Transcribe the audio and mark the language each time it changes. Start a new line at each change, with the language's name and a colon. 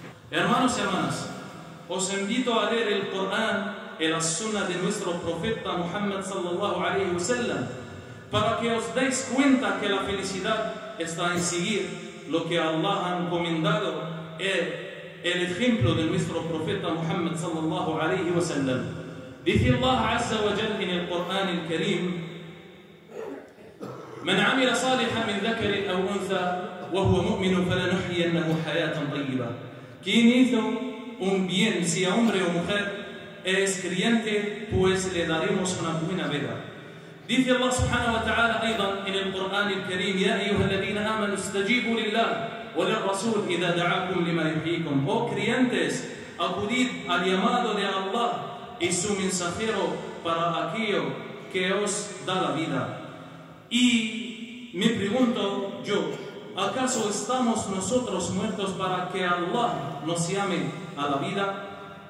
Spanish: Hermanos y hermanas, os invito a leer el Corán y la Sunna de nuestro profeta Muhammad sallallahu alayhi wa sallam, para que os deis cuenta que la felicidad está en seguir lo que Allah ha encomendado, el ejemplo de nuestro profeta Muhammad sallallahu alayhi wa sallam. Dice Allah Azza wa Jal en el Corán el Karim:
Arabic: من عمل صالحا من ذكر أو أنثى وهو مؤمن فلنحيينه حياة طيبة.
Spanish: Quien hizo un bien, sea hombre o mujer, es creyente, pues le daremos una buena vida. Dice Allah subhanahu wa ta'ala aydan en el Corán el Karim:
Arabic: يا أيها الذين آمنوا استجيبوا لله وللرسول إذا دعاكم لما يحييكم.
Spanish: Oh creyentes, acudid al llamado de Allah y su mensajero para aquello que os da la vida. Y me pregunto yo, ¿acaso estamos nosotros muertos para que Allah nos llame a la vida?